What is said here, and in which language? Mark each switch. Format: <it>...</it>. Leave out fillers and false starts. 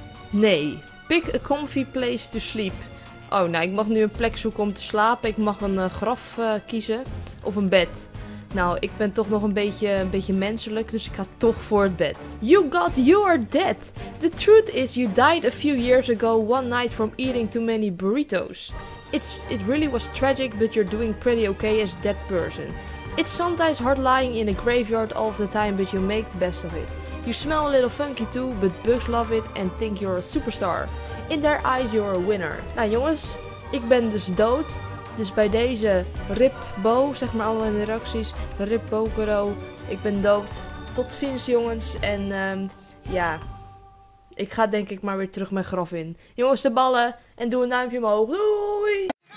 <nl>Nee.</nl> <en>Pick a comfy place to sleep.</en> <nl>Oh, nou, ik mag nu een plek zoeken om te slapen. Ik mag een graf kiezen. Of een bed. Nou, ik ben toch nog een beetje menselijk. Dus ik ga toch voor het bed.</nl> <en>You are dead. The truth is, you died a few years ago one night from eating too many burritos. It really was tragic, but you're doing pretty okay as a dead person. It's sometimes hard lying in a graveyard all of the time, but you make the best of it. You smell a little funky too, but bugs love it and think you're a superstar. In their eyes, you're a winner.</en> <nl>Nou jongens, ik ben dus dood. Dus bij deze ripbo, zeg maar alle interacties, ripbokero, ik ben dood. Tot ziens jongens en ik ga denk ik maar weer terug mijn graf in. Jongens, de ballen en doe een duimpje omhoog. Doei!</nl>